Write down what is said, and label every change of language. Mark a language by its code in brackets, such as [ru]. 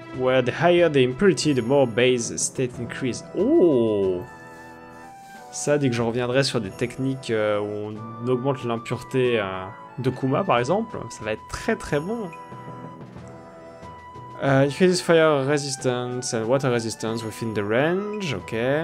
[en] Where the higher the impurity, the more base state increase. Oh! [fr] Ça, dès que je reviendrai sur des techniques où on augmente l'impureté de Kuma, par exemple, ça va être très très bon. [en] Increases fire resistance and water resistance within the range, ok.